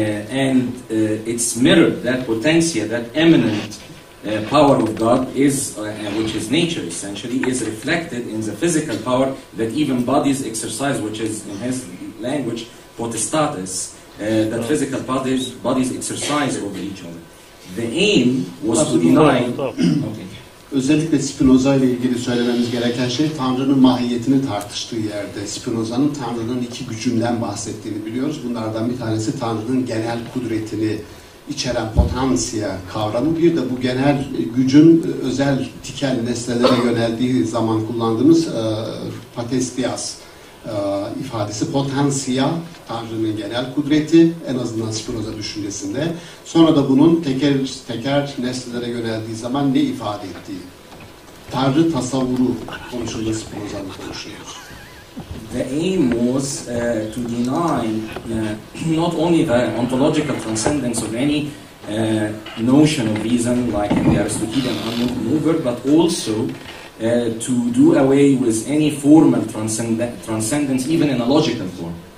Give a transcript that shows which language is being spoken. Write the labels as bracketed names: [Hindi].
[English] And it's mirrored, that potentia, that eminent power of God, is which is nature essentially, is reflected in the physical power that even bodies exercise, which is in his language potestatis, that physical bodies exercise over each other. The aim was to deny... [Turkish] Özellikle Spinoza ile ilgili söylememiz gereken şey, Tanrı'nın mahiyetini tartıştığı yerde Spinoza'nın Tanrı'nın iki gücünden bahsettiğini biliyoruz. Bunlardan bir tanesi Tanrı'nın genel kudretini içeren potansiya kavramı. Bir de bu genel gücün özel tikel nesnelere yöneldiği zaman kullandığımız patestias ifadesi. Potansiya, Tanrı'nın genel kudreti, en azından Spinoza düşüncesinde. Sonra da bunun teker nesnelere yöneldiği zaman ne ifade ettiği. Tanrı tasavvuru konusunda Spinoza'nın konuşuyor. [English] The aim was to deny not only the ontological transcendence of any notion of reason like in the Aristotelian unmoved mover, but also to do away with any formal transcendence, even in a logical form.